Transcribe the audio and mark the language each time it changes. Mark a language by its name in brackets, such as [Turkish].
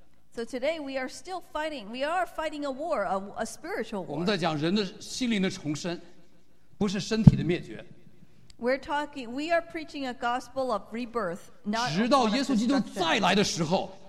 [English] So today we are still fighting. We are fighting a war, a spiritual war. [Chinese] 我们在讲人的心灵的重生，不是身体的灭绝。 [English] We are preaching a gospel of rebirth, not [Chinese] 直到耶稣基督再来的时候,